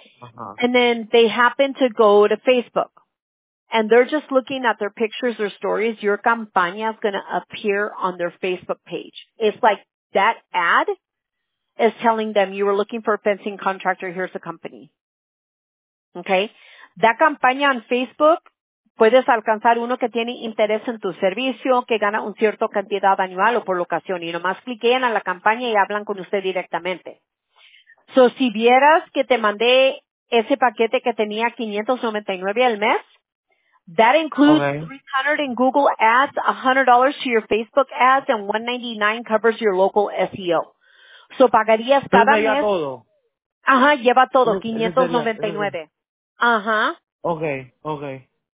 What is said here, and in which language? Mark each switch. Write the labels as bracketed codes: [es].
[en] Uh-huh. And then they happen to go to Facebook. And they're just looking at their pictures or stories. Your campaña is going to appear on their Facebook page. It's like that ad is telling them you were looking for a fencing contractor. Here's a company. Okay. [es] That campaña on Facebook, puedes alcanzar uno que tiene interés en tu servicio, que gana un cierto cantidad anual o por locación. Y nomás cliquean a la campaña y hablan con usted directamente. So, si vieras que te mandé ese paquete que tenía $599 al mes. [en] That includes okay. 300 in Google ads, $100 to your Facebook ads, and $199 covers your local SEO. [es] So pagarías cada mes. Lleva todo. Ajá, lleva todo, $599. Ajá. [en] Okay.